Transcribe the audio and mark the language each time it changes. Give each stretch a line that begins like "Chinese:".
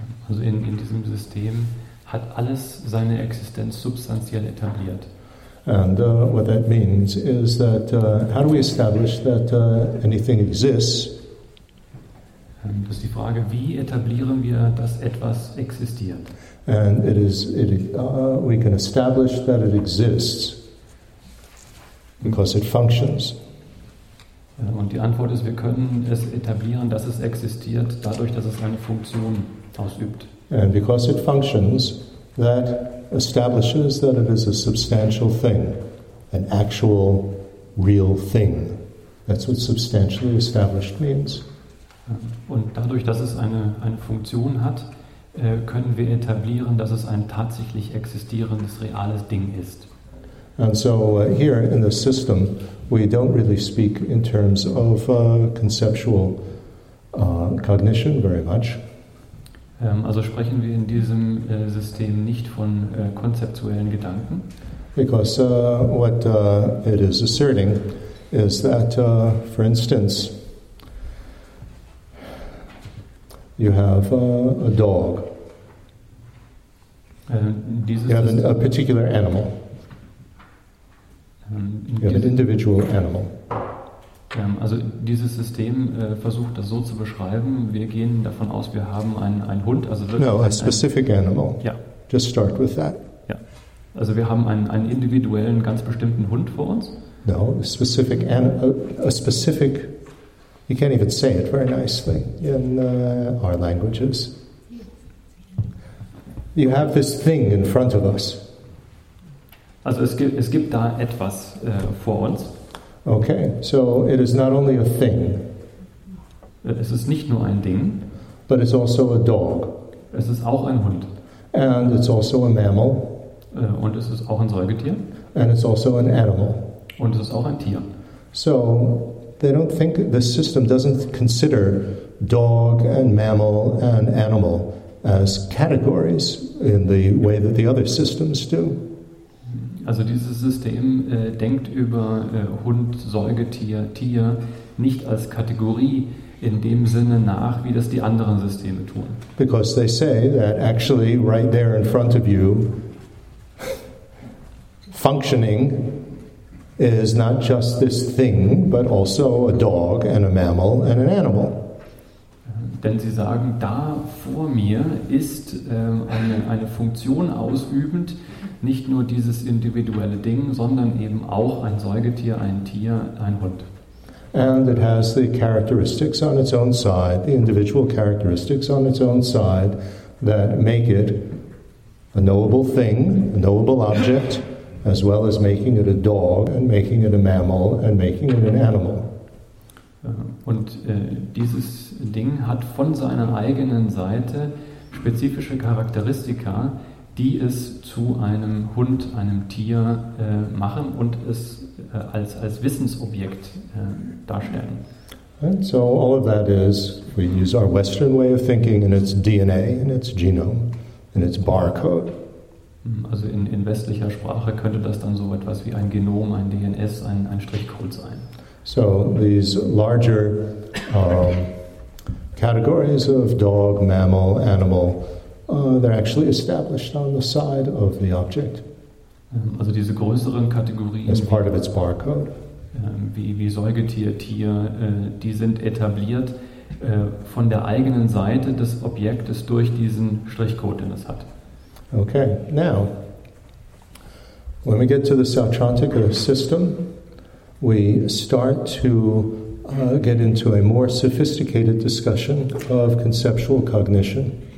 German: Also in diesem System hat alles seine Existenz substanziell etabliert.
English: And what that means is that how do we establish that anything exists?
German: Das ist die Frage, wie etablieren wir, dass etwas existiert?
English: And we can establish that it exists because it functions.
German: Und die Antwort ist, wir können es etablieren, dass es existiert, dadurch, dass es eine Funktion ausübt.
English: And because it functions, that establishes that it is a substantial thing, an actual, real thing. That's what substantially established means.
German: Und dadurch, dass es eine Funktion hat, können wir etablieren, dass es ein tatsächlich existierendes, reales Ding ist.
English: And so here in the system, we don't really speak in terms of conceptual cognition very much.
German: Also sprechen wir in diesem System nicht von konzeptuellen Gedanken.
English: Because what it is asserting is that, for instance, you have a dog. You have a particular animal. You have an individual animal.
German: Also dieses System versucht das so zu beschreiben. Wir gehen davon aus, wir haben einen Hund. Also
English: no, a specific animal.
German: Ja.
English: Just start with that.
German: Ja. Also wir haben einen individuellen, ganz bestimmten Hund vor uns.
English: No, a specific, you can't even say it very nicely in our languages. You have this thing in front of us.
German: Also es gibt da etwas vor uns.
English: Okay, so it is not only a thing.
German: Es ist nicht nur ein Ding.
English: But it's also a dog.
German: Es ist auch ein Hund.
English: And it's also a mammal.
German: Und es ist auch ein Säugetier.
English: And it's also an animal.
German: Und es ist auch ein Tier.
English: So they don't think, the system doesn't consider dog and mammal and animal as categories in the way that the other systems do.
German: Also dieses System denkt über Hund, Säugetier, Tier nicht als Kategorie in dem Sinne nach, wie das die anderen Systeme tun.
English: Because they say that actually right there in front of you functioning is not just this thing, but also a dog and a mammal and an animal.
German: Denn sie sagen, da vor mir ist eine Funktion ausübend, nicht nur dieses individuelle Ding, sondern eben auch ein Säugetier, ein Tier, ein Hund.
English: And it has the characteristics on its own side, the individual characteristics on its own side, that make it a knowable thing, a knowable object, as well as making it a dog, and making it a mammal, and making it an animal.
German: Und dieses Ding hat von seiner eigenen Seite spezifische Charakteristika, die es zu einem Hund, einem Tier machen und es als Wissensobjekt darstellen.
English: And so all of that is, we use our Western way of thinking in its DNA, in its genome, in its barcode.
German: Also in westlicher Sprache könnte das dann so etwas wie ein Genom, ein DNS, ein Strichcode sein.
English: So these larger categories of dog, mammal, animal, they're actually established on the side of the object.
German: Also diese größeren Kategorien
English: as part of its barcode.
German: Wie Säugetier, Tier, die sind etabliert von der eigenen Seite des Objektes durch diesen Strichcode, den es hat.
English: Okay, now, when we get to the Sautrantika system, we start to get into a more sophisticated discussion of conceptual cognition.